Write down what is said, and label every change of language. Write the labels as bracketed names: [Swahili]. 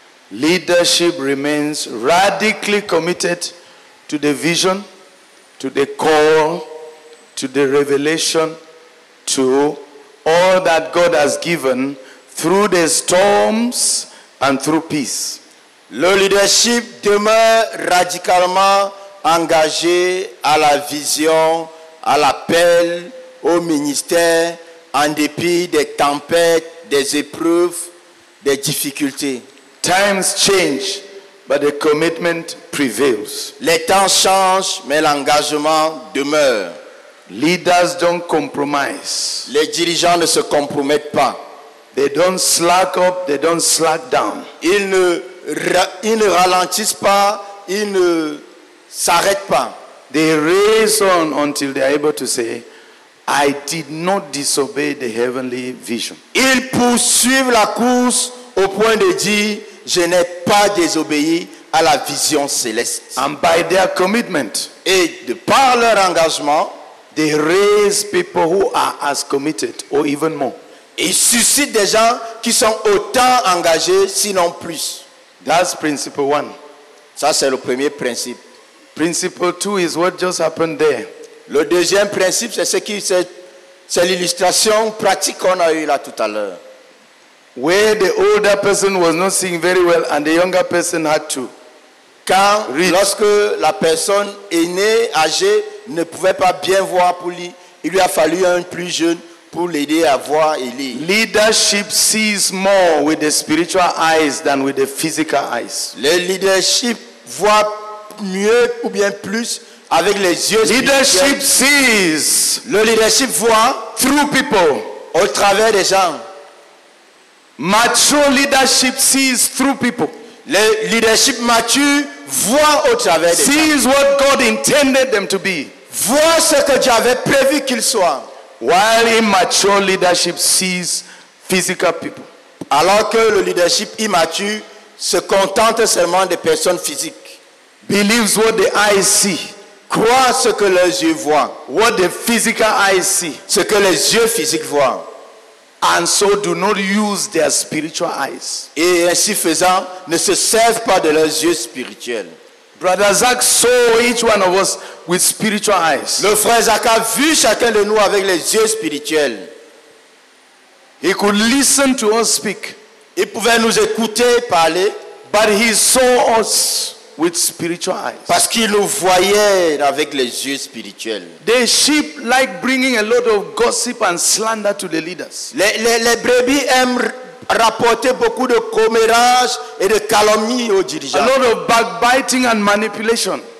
[English] Leadership remains radically committed to the vision, to the call, to the revelation, to all that God has given through the storms and through peace. [French] Le leadership demeure radicalement engagé à la vision, à l'appel, au ministère, en dépit des tempêtes, des épreuves, des difficultés. [English] Times change, But the commitment prevails. [French] Les temps changent, mais l'engagement demeure. [English] Leaders don't compromise. [French] Les dirigeants ne se compromettent pas. [English] They don't slack up, they don't slack down. [French] Ils ne ralentissent pas, ils ne s'arrêtent pas. [English] They race on until they are able to say, I did not disobey the heavenly vision. [French] Ils poursuivent la course au point de dire, je n'ai pas désobéi à la vision céleste. [English] And by their commitment, [French] et de par leur engagement, [English] they raise people who are as committed or even more. [French] Ils suscitent des gens qui sont autant engagés, sinon plus. [English] That's principle one. [French] Ça, c'est le premier principe. [English] Principle two is what just happened there. [French] Le deuxième principe, c'est l'illustration pratique qu'on a eue là tout à l'heure. [English] Where the older person was not seeing very well and the younger person had to. [French] Quand, [English] read. [French] Lorsque la personne aînée, âgée, ne pouvait pas bien voir pour lire, il lui a fallu un plus jeune pour l'aider à voir et lire. [English] Leadership sees more with the spiritual eyes than with the physical eyes. [French] Le leadership voit mieux ou bien plus avec les yeux [English] leadership [French] spirituels. [English] Sees [French] le leadership voit [English] through people [French] au travers des gens. [English] Mature leadership sees through people. [French] Le leadership mature voit au travers des [English] sees [French] gens. [English] Sees what God intended them to be. [French] Voit ce que Dieu avait prévu qu'ils soient. [English] While immature leadership sees physical people. [French] Alors que le leadership immature se contente seulement des personnes physiques. [English] Believes what the eyes see. [French] Croit ce que les yeux voient. [English] What the physical eyes see. [French] Ce que les yeux physiques voient. [English] And so do not use their spiritual eyes. [French] Et ainsi faisant, ne se servent pas de leurs yeux spirituels. [English] Brother Zach saw each one of us with spiritual eyes. [French] Le frère Zach a vu chacun de nous avec les yeux spirituels. [English] He could listen to us speak. [French] Il pouvait nous écouter parler. [English] But he saw us with spiritual eyes. [French] Parce qu'il nous voyait avec les yeux spirituels. [English] The sheep like bringing a lot of gossip and slander to the leaders. [French] Les brebis aiment rapporter beaucoup de commérage et de calomnie aux dirigeants. [English] A lot of backbiting and manipulation.